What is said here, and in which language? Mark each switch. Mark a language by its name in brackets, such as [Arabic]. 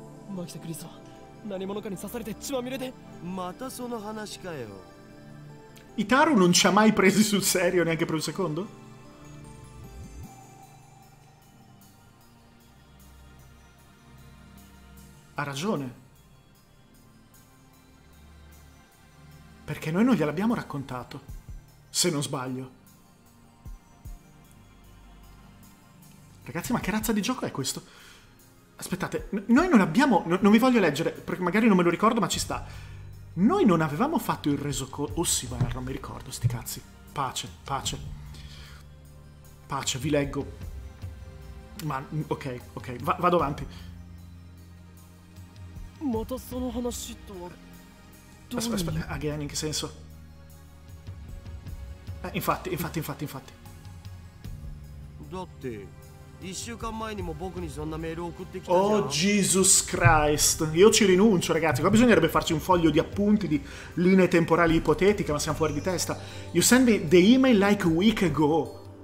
[Japanese] マキサクリスは何者かに刺されて血まみれで。またその話かよ。 [Italian] Itaru non ci ha mai presi sul serio neanche per un secondo? Ha ragione. Perché noi non gliel'abbiamo raccontato, se non sbaglio. Ragazzi, ma che razza di gioco è questo? Aspettate, noi non abbiamo... No, non vi voglio leggere, perché magari non me lo ricordo, ma ci sta. Noi non avevamo fatto il resoconto... Oh sì, guarda, non mi ricordo, sti cazzi. Pace, pace. Pace, vi leggo. Ma, ok. Vado avanti. [Japanese] またその話とはどういう意味？ [Italian] Again, in che senso? Infatti, infatti. [Japanese] だって1週間前にも僕にそんなメール送ってきたじ Oh ゃん。 [English] Jesus Christ, [Italian] io ci rinuncio ragazzi, qua bisognerebbe farci un foglio di appunti di linee temporali ipotetiche, ma siamo fuori di testa. [English] You send me the email like a week ago.